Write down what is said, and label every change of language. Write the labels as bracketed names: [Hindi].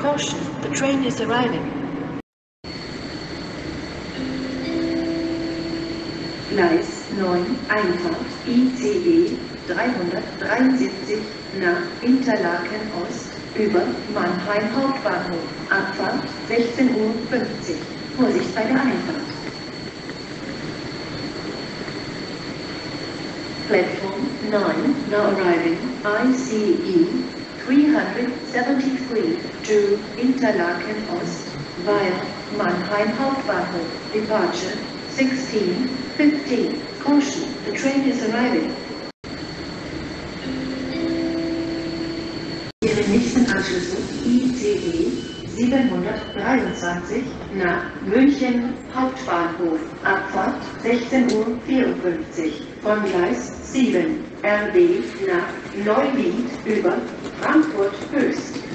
[English] Caution, the train is arriving. [German] Gleis 9, Einfahrt ICE 373 nach Interlaken Ost über Mannheim Hauptbahnhof. Abfahrt 16:50 Uhr. Vorsicht bei der Einfahrt. [English] Platform 9, now arriving ICE 73 to Interlaken Ost via Mannheim Hauptbahnhof. Departure 16:15. Caution, the train is arriving. [German] Ihre nächsten Anschlüsse ICE 723 nach München Hauptbahnhof. Abfahrt 16:54. Von Gleis 7 RB nach Neuwied über Frankfurt Höchst.